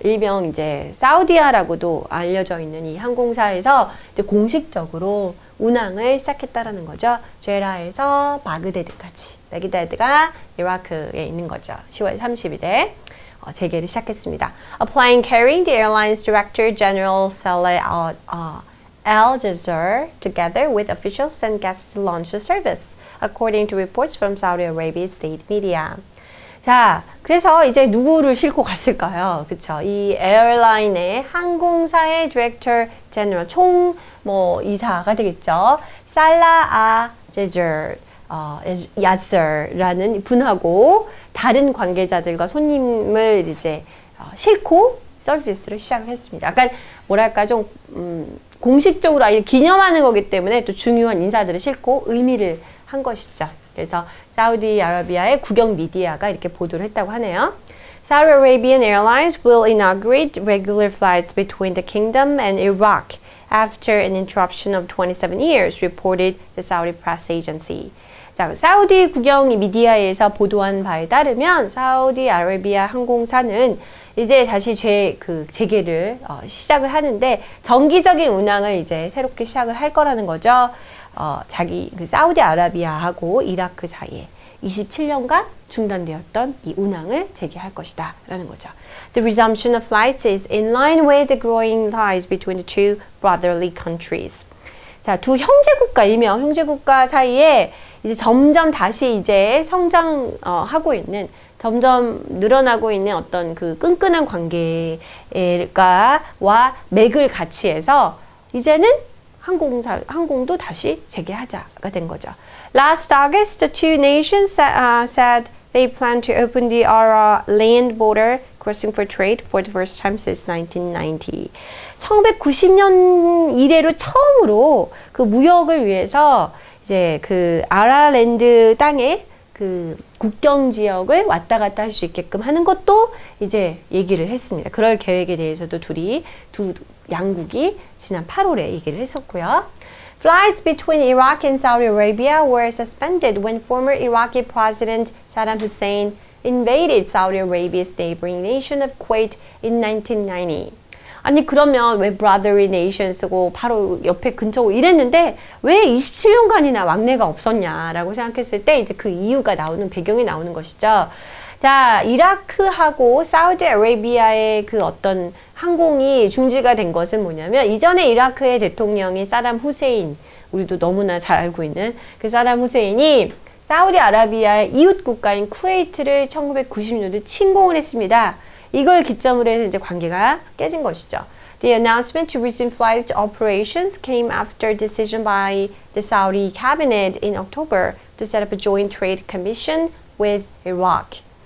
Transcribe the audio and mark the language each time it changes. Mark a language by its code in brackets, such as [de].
[ko] 일명 이제 사우디아라고도 알려져 있는 이 항공사에서 이제 공식적으로 운항을 시작했다라는 거죠. 제라에서 바그데드까지. 바그데드가 이라크에 있는 거죠. 10월 30일에 재개를 시작했습니다. [en] A plane carrying the airline's director general Saleh Al-Jazeera together with officials and guests to launch the service, according to reports from Saudi Arabia's state media. [ko] 자, 그래서 이제 누구를 싣고 갔을까요? 그렇죠. 이 에어라인의 항공사의 디렉터 제너럴 총 뭐 이사가 되겠죠. 살라 아 제저 야서라는 분하고 다른 관계자들과 손님을 이제 싣고 서비스를 시작했습니다. 약간 뭐랄까 좀 공식적으로 아예 기념하는 거기 때문에 또 중요한 인사들을 싣고 의미를 한 것이죠. 그래서 사우디아라비아의 국영 미디어가 이렇게 보도를 했다고 하네요. [en] Saudi Arabian Airlines will inaugurate regular flights between the kingdom and Iraq after an interruption of 27 years, reported the Saudi press agency. [ko] 자, 사우디 국영 미디어에서 보도한 바에 따르면 사우디아라비아 항공사는 이제 다시 재개를 시작을 하는데 정기적인 운항을 이제 새롭게 시작을 할 거라는 거죠. 자기 그 사우디아라비아하고 이라크 사이에 27년간 중단되었던 이 운항을 재개할 것이다 라는 거죠. [en] The resumption of flights is in line with the growing ties between the two brotherly countries. [ko] 자, 두 형제국가이며 형제국가 사이에 이제 점점 다시 이제 성장하고 있는 점점 늘어나고 있는 어떤 그 끈끈한 관계가와 맥을 같이 해서 이제는 항공도 다시 재개하자가 된 거죠. [en] Last August, the two nations said they plan to open the Ara land border crossing for trade for the first time since 1990. [ko] 1990년 이래로 처음으로 그 무역을 위해서 이제 그 아라 랜드 땅에 그 국경 지역을 왔다 갔다 할 수 있게끔 하는 것도 이제 얘기를 했습니다. 그럴 계획에 대해서도 두 양국이 지난 8월에 얘기를 했었고요. [en] Flights between Iraq and Saudi Arabia were suspended when former Iraqi President Saddam Hussein invaded Saudi Arabia's neighboring nation of Kuwait in 1990. [ko] 아니 그러면 왜 [en] brotherly nations [ko] 고 바로 옆에 근처고 이랬는데 왜 27년간이나 왕래가 없었냐라고 생각했을 때 이제 그 이유가 나오는 배경이 나오는 것이죠. 자, 이라크하고 사우디아라비아의 그 어떤 항공이 중지가 된 것은 뭐냐면 이전에 이라크의 대통령이 사담 후세인, 우리도 너무나 잘 알고 있는 그 사담 후세인이 사우디아라비아의 이웃 국가인 쿠웨이트를 1990년도에 침공을 했습니다. 이걸 기점으로 해서 이제 관계가 깨진 것이죠. [en] The announcement to resume flight operations came after decision by the Saudi cabinet in October to set up a joint trade commission with Iraq.